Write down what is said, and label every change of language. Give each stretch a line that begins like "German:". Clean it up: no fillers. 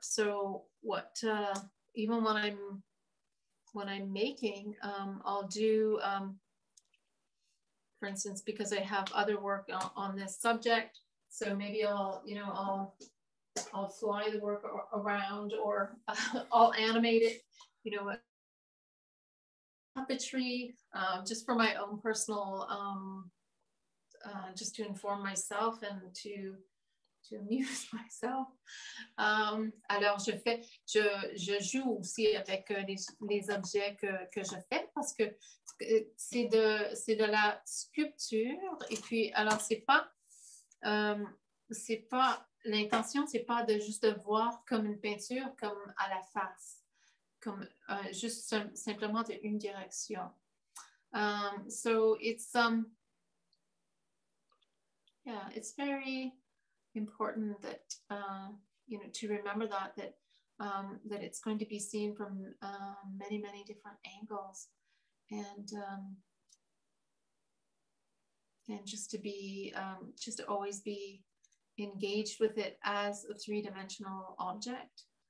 English: So what, even when I'm making, I'll do, for instance, because I have other work on this subject, so maybe I'll, you know, I'll fly the work around, or I'll animate it, you know, puppetry, just for my own personal, just to inform myself and to amuse myself.
French: Alors je fais, je joue aussi avec les objets que je fais, parce que c'est de la sculpture, et puis alors c'est pas, l'intention, c'est pas de juste voir comme une peinture, comme à la face, comme juste simplement d'une direction.
English: So it's it's very important that you know, to remember that that it's going to be seen from many, many different angles, and just to be just to always be engaged with it as a three-dimensional object.